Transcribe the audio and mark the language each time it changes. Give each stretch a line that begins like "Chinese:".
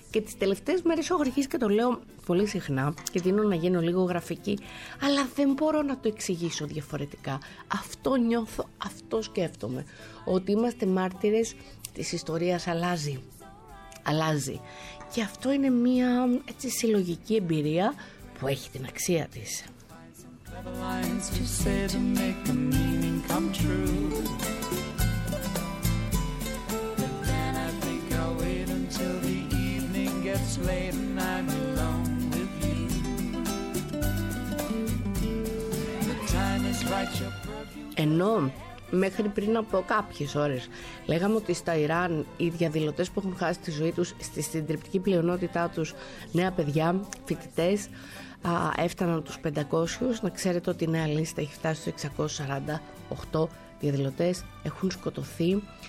Greek: Και τις τελευταίες μέρες έχω αρχίσει και το λέω πολύ συχνά και δίνω να γίνω λίγο γραφική, αλλά δεν μπορώ να το εξηγήσω διαφορετικά. Αυτό νιώθω, αυτό σκέφτομαι, ότι είμαστε μάρτυρες της ιστορίας, αλλάζει. Και αυτό είναι μια έτσι συλλογική εμπειρία που έχει την αξία της.
English: The lines to say to make the meaning come true. But then I think I'll wait until the evening gets late and I'm alone with you. The time is right, your perfume.
Greek: Ενώ μέχρι πριν από κάποιες ώρες λέγαμε ότι στα Ιράν οι διαδηλωτές που έχουν χάσει τη ζωή τους, στη συντριπτική πλειονότητά τους νέα παιδιά, φοιτητές, έφταναν τους 500. Να ξέρετε ότι η νέα λίστα έχει φτάσει στους 648 διαδηλωτές, έχουν σκοτωθεί.